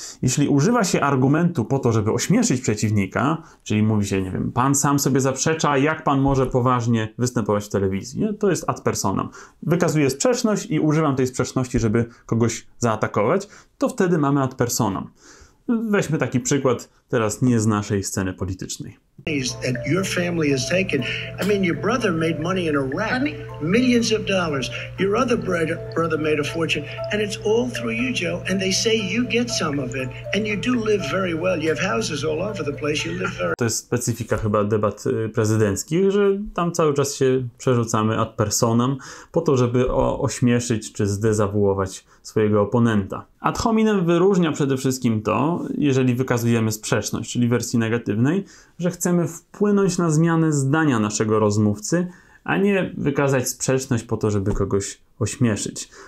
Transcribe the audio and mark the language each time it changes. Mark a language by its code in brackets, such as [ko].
[pl] Jeśli używa się argumentu po to, żeby ośmieszyć przeciwnika, czyli mówi się, nie wiem, pan sam sobie zaprzecza, jak pan może poważnie występować w telewizji, nie? To jest ad personam. Wykazuję sprzeczność i używam tej sprzeczności, żeby kogoś zaatakować, to wtedy mamy ad personam. Weźmy taki przykład teraz nie z naszej sceny politycznej. [en] That your family has taken. I mean, your brother made money in Iraq, millions of dollars. Your other brother made a fortune, and it's all through you, Joe. And they say you get some of it, and you do live very well. You have houses all over the place. You live very. [pl] To jest specyfika chyba debat prezydenckich, że tam cały czas się przerzucamy ad personam po to, żeby ośmieszyć czy zdezawuować swojego oponenta. Ad hominem wyróżnia przede wszystkim to, jeżeli wykazujemy sprzeczność, czyli wersji negatywnej, że chcemy wpłynąć na zmianę zdania naszego rozmówcy, a nie wykazać sprzeczność po to, żeby kogoś ośmieszyć.